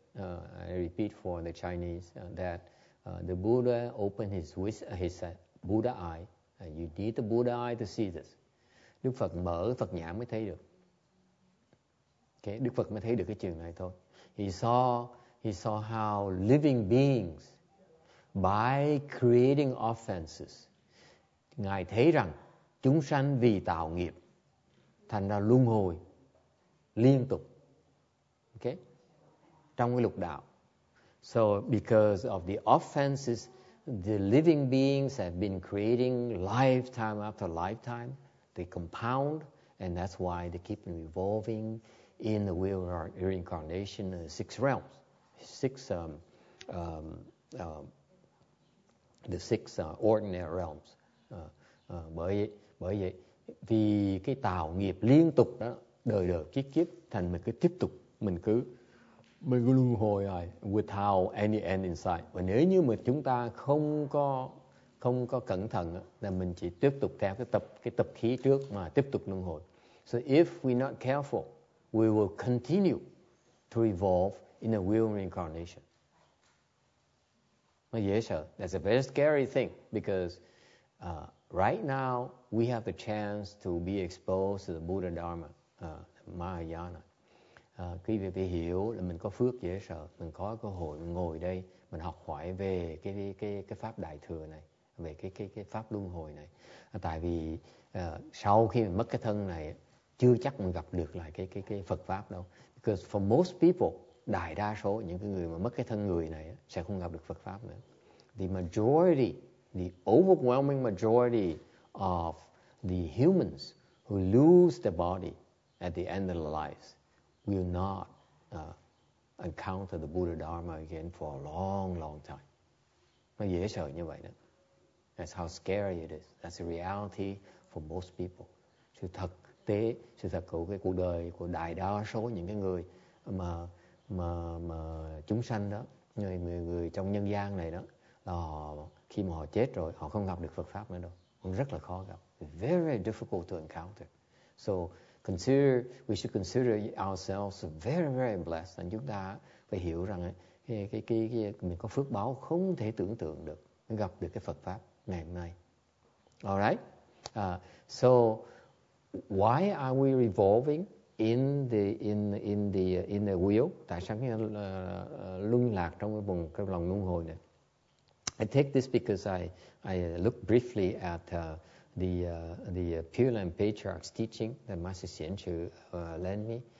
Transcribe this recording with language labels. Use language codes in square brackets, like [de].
[en] I repeat for the Chinese that the Buddha opened his Buddha eye. You need the Buddha eye to see this. [vi] Đức Phật mở Phật nhãn mới thấy được. Okay, Đức Phật mới thấy được cái trường này thôi. [en] He saw how living beings, by creating offenses, [vi] Ngài thấy rằng chúng sanh vì tạo nghiệp thành ra luân hồi liên tục. Okay, trong cái lục đạo. [en] So because of the offenses, the living beings have been creating lifetime after lifetime. They compound, and that's why they keep evolving in the wheel of reincarnation, six realms, ordinary realms. [vi] Bởi vậy vì cái tạo nghiệp liên tục đó, đời đời kiếp kiếp, thành mình cứ tiếp tục, mình cứ luân hồi lại [en] without any end in sight. [vi] Và nếu như mà chúng ta không có cẩn thận là mình chỉ tiếp tục theo cái tập khí trước mà tiếp tục luân hồi. [en] So if we not careful, we will continue to evolve in a wheel reincarnation. [vi] Mà dễ sợ. [en] That's a very scary thing because right now we have the chance to be exposed to the Buddha Dharma, Mahayana. [vi] Quý vị phải hiểu là mình có phước dễ sợ, mình có cơ hội ngồi đây, mình học hỏi về cái pháp đại thừa này, về cái pháp luân hồi này. Tại vì sau khi mình mất cái thân này, chưa chắc mình gặp được lại cái Phật pháp đâu. [en] Because for most people, [vi] đại đa số những cái người mà mất cái thân người này sẽ không gặp được Phật pháp nữa. [en] The overwhelming majority of the humans who lose their body at the end of their lives will not encounter the Buddha Dharma again for a long, long time. [vi] Nó dễ sợ như vậy đó. [en] That's how scary it is. That's the reality for most people. [vi] Sự thật của cái cuộc đời của đại đa số những cái người mà chúng sanh đó, người trong nhân gian này đó, là họ, khi mà họ chết rồi, họ không gặp được Phật pháp nữa đâu. Cũng rất là khó gặp. [en] Very difficult to encounter. So we should consider ourselves very, very blessed. [vi] And chúng ta phải hiểu rằng cái mình có phước báo không thể tưởng tượng được, gặp được cái Phật pháp ngày hôm nay. [en] All right. So why are we revolving in the wheel? [vi] Tại sao chúng ta luân lạc trong cái vùng cái lòng luân hồi này? [en] I take this because I look briefly at the Pure Land Patriarch's teaching that Master Xian Chu lent me.